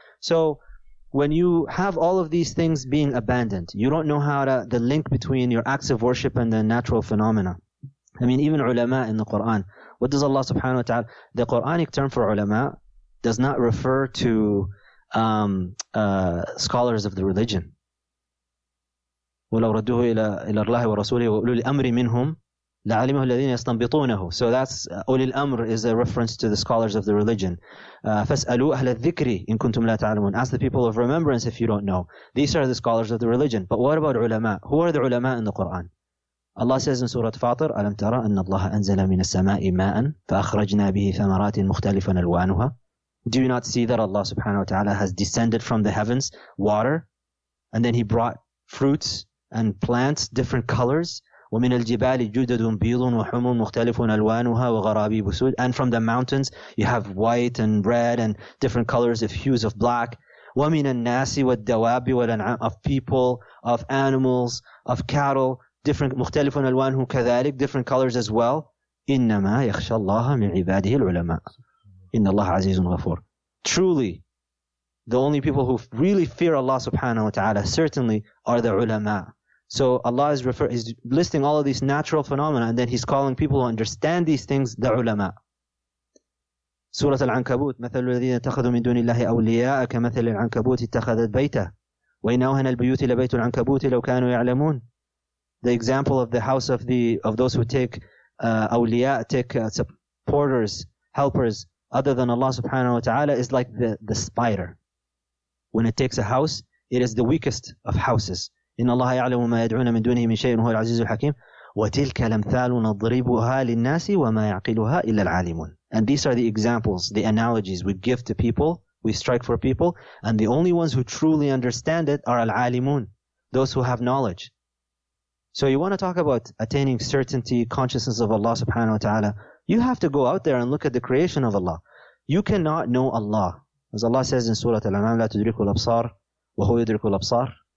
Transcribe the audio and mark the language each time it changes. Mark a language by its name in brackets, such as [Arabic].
[English] So when you have all of these things being abandoned, you don't know how to the link between your acts of worship and the natural phenomena. I mean, even ulama in the Quran, what does Allah subhanahu wa ta'ala, the Quranic term for ulama does not refer to scholars of the religion. [Arabic] ولو ردوه إلى الله ورسوله وأولي الأمر منهم لعلمه الذين يستنبطونه. [English] So that's أولي الأمر is a reference to the scholars of the religion. [Arabic] فاسألوا أهل الذكر إن كنتم لا تعلمون. [English] Ask the people of remembrance if you don't know. These are the scholars of the religion. But what about علماء? Who are the علماء in the Quran? Allah says in Surah Fatir, [Arabic] ألم ترى أن الله أنزل من السماء ماء فأخرجنا به ثمرات مختلفا ألوانها. [English] Do you not see that Allah subhanahu wa ta'ala has descended from the heavens water, and then he brought fruits and plants, different colors? [Arabic] وَمِنَ الْجِبَالِ جُدَدٌ بِيضٌ وَحُمٌ مُخْتَلِفٌ أَلْوَانُهَا وَغَرَابِ بُسُودٌ. [English] And from the mountains, you have white and red and different colors of hues of black. [Arabic] وَمِنَ النَّاسِ وَالدَّوَابِ وَالْأَنْعَامِ. [English] Of people, of animals, of cattle, different [Arabic] مُخْتَلِفٌ أَلْوَانُهُ كَذَلِكَ. [English] Different colors as well. [Arabic] إِنَّمَا يَخْشَى اللَّهَ مِنْ عِبَادِهِ الْعُلَمَاءِ. إِنَّ اللَّهَ عَزِيزٌ غَفُورٌ. [English] Truly, the only people who really fear Allah subhanahu wa ta'ala certainly are the ulama. So Allah is is listing all of these natural phenomena, and then he's calling people who understand these things the ulama. [Arabic] Surah Al-Ankabut, مثل الذين اتخذوا من دون الله أولياء كمثل العنكبوت اتخذت بيتا وإن أوهن البيوت لبيت العنكبوت لو كانوا يعلمون. [English] The example of the house of the of those who take awliya, take supporters, helpers other than Allah subhanahu wa ta'ala is like the spider. When it takes a house, it is the weakest of houses. [Arabic] إن الله يعلم ما يدعون من دونه من شيء وهو العزيز الحكيم. وتلك الأمثال نضربها للناس وما يعقلها إلا العالمون. [English] And these are the examples, the analogies we give to people, we strike for people, and the only ones who truly understand it are العالمون, those who have knowledge. So you want to talk about attaining certainty, consciousness of Allah subhanahu wa ta'ala, you have to go out there and look at the creation of Allah. You cannot know Allah. As Allah says in Surah Al-An'am, [Arabic] لا تدركه الأبصار وهو يدرك الأبصار.